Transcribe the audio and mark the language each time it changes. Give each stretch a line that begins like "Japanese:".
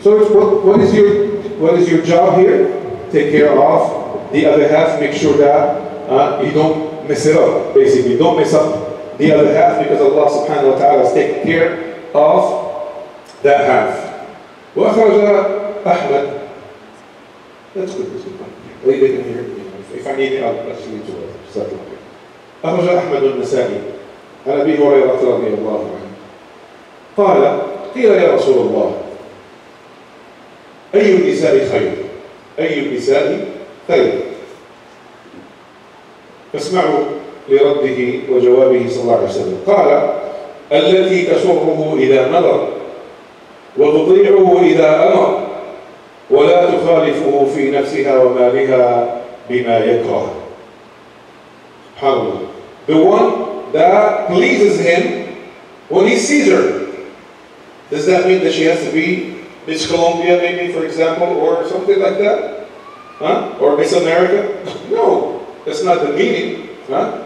English: So what is your job here? Take care of the other half, make sure that you don't mess it up, basically. Don't mess up the other half, because Allah subhanahu wa ta'ala is taking care of that half.
Arabic: وأخرج أحمد.
English: That's good. Leave it in here. If I need it, I'll actually need to start up here.
Arabic: أخرج أحمد النسائي عن أبي هريرة رضي الله عنه قال قيل يا رسول الله أي النساء خير؟ أي النساء خير؟ فاسمعوا لرده وجوابه صلى الله عليه وسلم. قال التي تسره إذا نظر وتطيعه إذا أمر ولا تخالفه في نفسها ومالها بما يكره. سبحان الله.
English: The one that pleases him when he sees her. Does that mean that she has to be Miss Colombia, maybe, for example, or something like that? Huh? Or Miss America? No, that's not the meaning. Huh?